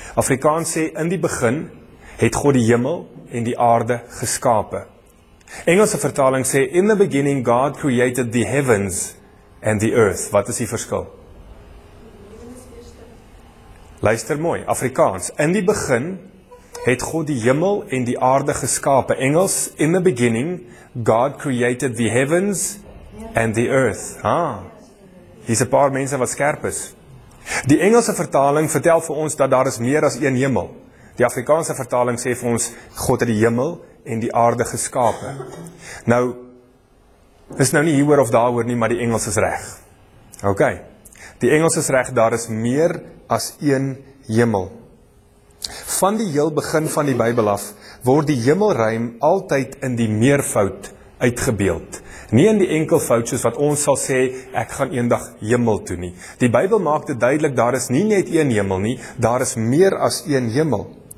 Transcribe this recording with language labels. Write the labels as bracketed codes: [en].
[af] Afrikaans sê in die begin het God die hemel en die aarde geskape. Engelse vertaling sê [en] in the beginning God created the heavens and the earth. [af] Wat is die verskil? Luister mooi, Afrikaans. In die begin het God die hemel en die aarde geskape. [en] Engels, in the beginning, God created the heavens and the earth. [af] Ah, hier is 'n paar mense wat skerp is. Die Engelse vertaling vertel vir ons dat daar is meer as een hemel. Die Afrikaanse vertaling sê vir ons, God het die hemel en die aarde geskape. Nou, is nou nie hieroor of daaroor nie, maar die Engels is reg. Ok, die Engels is reg, daar is meer as een hemel. Van die heel begin van die Bybel af, word die hemelruim altyd in die meervoud uitgebeeld. Nie in die enkelvoud soos wat ons sal sê, ek gaan eendag hemel toe nie. Die Bybel maak dit duidelik, daar is nie net een hemel nie, daar is meer as een hemel.